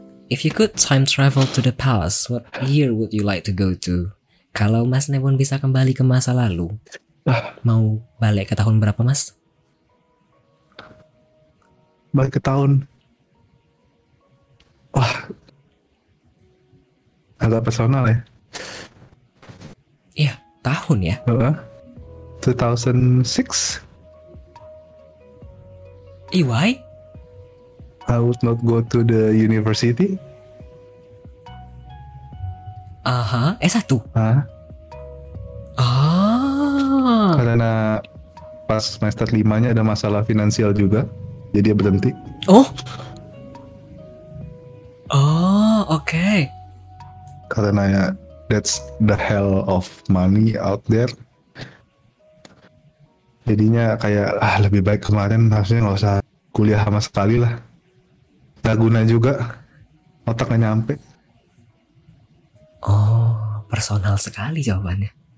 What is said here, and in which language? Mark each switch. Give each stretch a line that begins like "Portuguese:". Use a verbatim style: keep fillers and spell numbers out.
English: If you could time travel to the past, what year would you like to go to?
Indonesian: Kalau Mas Nebon bisa kembali ke masa lalu, mau balik ke tahun berapa, Mas? Balik ke tahun. Wah, agak personal ya. Iya, tahun ya.
English: Uh, two thousand six. Eh, why? I would not go to the university.
Indonesian: Aha, S satu. Hah? Ah. Karena pas semester lima-nya ada masalah finansial juga, jadi dia berhenti. Oh. Oh, oke. Okay. Karena ya,
English: that's the hell of money out there.
Indonesian: Jadinya kayak ah lebih baik kemarin harusnya nggak usah kuliah sama sekali lah. Gak guna juga, otak gak nyampe. Oh, personal sekali jawabannya.